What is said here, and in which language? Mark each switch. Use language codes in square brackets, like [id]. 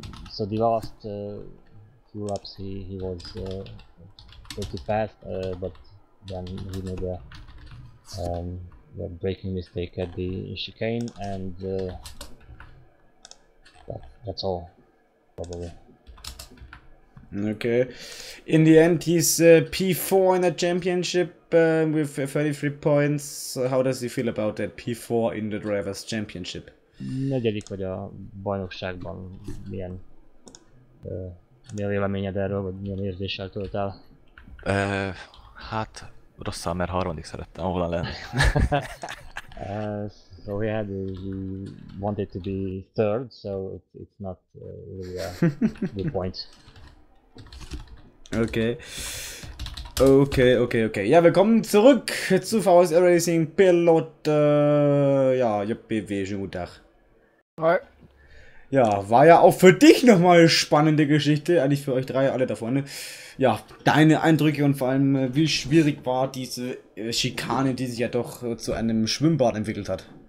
[en] So the last few laps he was pretty fast, but then he made a braking mistake at the chicane, and that's all, probably. Okay, in the end he's P4 in the championship with 33 points. How does he feel about that P4 in the drivers championship? [hu] Negyedik vagy a bajnokságban, milyen véleményed erről, vagy milyen érzéssel tölt el? Hát rosszal, mert harmadik szerettem volna lenni. [en] So he had he wanted to be third, so it's not really a good point. Okay. Okay. [de] Ja, willkommen zurück zu VSR Racing Pilot. Ja, JPW, schönen guten Tag. Hi. Ja, war ja auch für dich nochmal eine spannende Geschichte. Eigentlich für euch drei, alle da vorne. Ja, deine Eindrücke und vor allem, wie schwierig war diese Schikane, die sich ja doch zu einem Schwimmbad entwickelt hat.